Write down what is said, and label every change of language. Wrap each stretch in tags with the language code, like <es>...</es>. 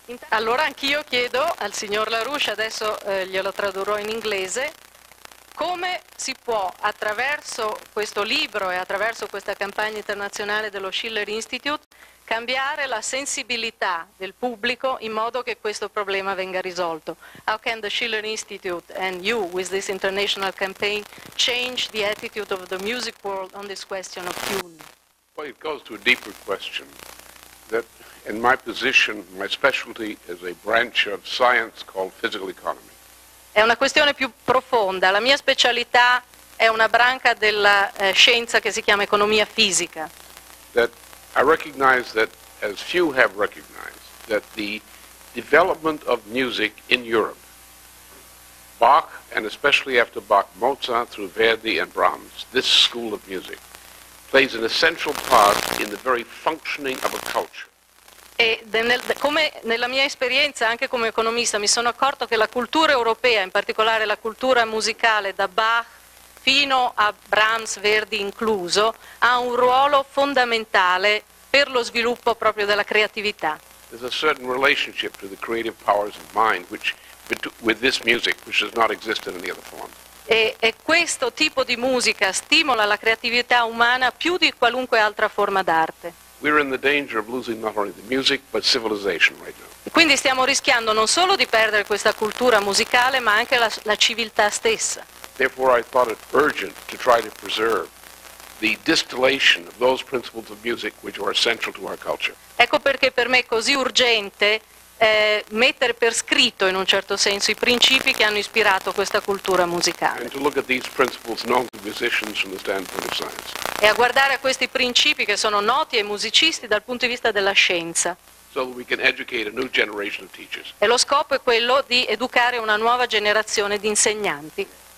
<it>Allora anch'io chiedo al signor LaRouche, adesso glielo tradurrò in inglese, come si può attraverso questo libro e attraverso questa campagna internazionale dello Schiller Institute cambiare la sensibilità del pubblico in modo che questo problema venga risolto.</it> <en>How can the Schiller Institute and you, with this international campaign, change the attitude of the music world on this question of tune? Well, it goes to a deeper question that in my position, my specialty is a branch of science called physical economy.</en> <it>È una questione più profonda. La mia specialità è una branca della scienza che si chiama economia fisica.</it> <en>I recognize that, as few have recognized, that the development of music in Europe Bach, and especially after Bach, Mozart through Verdi and Brahms, this school of music plays an essential part in the very functioning of a culture.</en> <it>E come nella mia esperienza, anche come economista, mi sono accorto che la cultura europea, in particolare la cultura musicale da Bach fino a Brahms, Verdi incluso, ha un ruolo fondamentale per lo sviluppo proprio della creatività.</it> <en>There's a certain relationship to the creative powers of mind which with this music which does not exist in any other form.</en> <it>E questo tipo di musica stimola la creatività umana più di qualunque altra forma d'arte.</it> <en>We're in the danger of losing not only the music, but civilization right now.</en> <it>Quindi stiamo rischiando non solo di perdere questa cultura musicale, ma anche la civiltà stessa.</it> <en>Therefore, I thought it urgent to try to preserve the distillation of those principles of music which are essential to our culture.</en> <it>Ecco perché per me è così urgente mettere per scritto, in un certo senso, i principi che hanno ispirato questa cultura musicale.</it> <en>And to look at these principles known to musicians from the standpoint of science.</en> <it>E a guardare a questi principi che sono noti ai musicisti dal punto di vista della scienza.</it> <en>So that we can educate a new generation of teachers.</en> <it>E lo scopo è quello di educare una nuova generazione di insegnanti.</it>